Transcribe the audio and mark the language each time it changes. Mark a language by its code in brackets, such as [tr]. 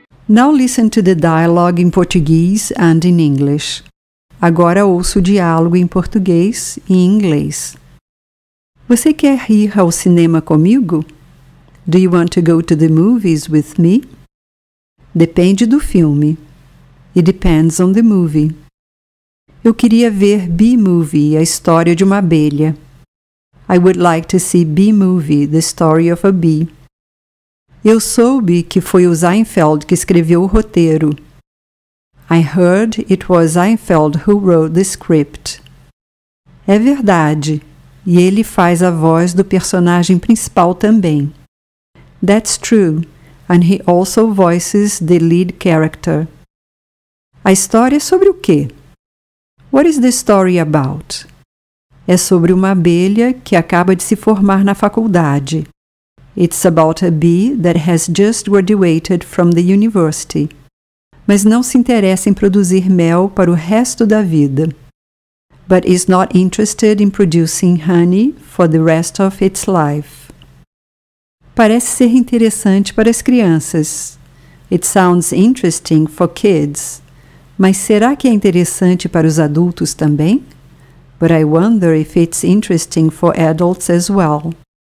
[en] Now listen to the dialogue in Portuguese and in English. [pt] Agora ouço o diálogo em português e em inglês. Você quer ir ao cinema comigo? [en] Do you want to go to the movies with me? [pt] Depende do filme. [en] It depends on the movie. [pt] Eu queria ver Bee Movie, a história de uma abelha. [en] I would like to see Bee Movie, the story of a bee. [pt] Eu soube que foi o Seinfeld que escreveu o roteiro. [en] I heard it was Seinfeld who wrote the script. [pt] É verdade. E ele faz a voz do personagem principal também. [en] That's true, and he also voices the lead character. [pt] A história é sobre o quê? [en] What is the story about? [pt] É sobre uma abelha que acaba de se formar na faculdade. [en] It's about a bee that has just graduated from the university, [pt] mas não se interessa em produzir mel para o resto da vida, [en] but is not interested in producing honey for the rest of its life. [pt] Parece ser interessante para as crianças. [en] It sounds interesting for kids. [pt] Mas será que é interessante para os adultos também? [en] But I wonder if it's interesting for adults as well.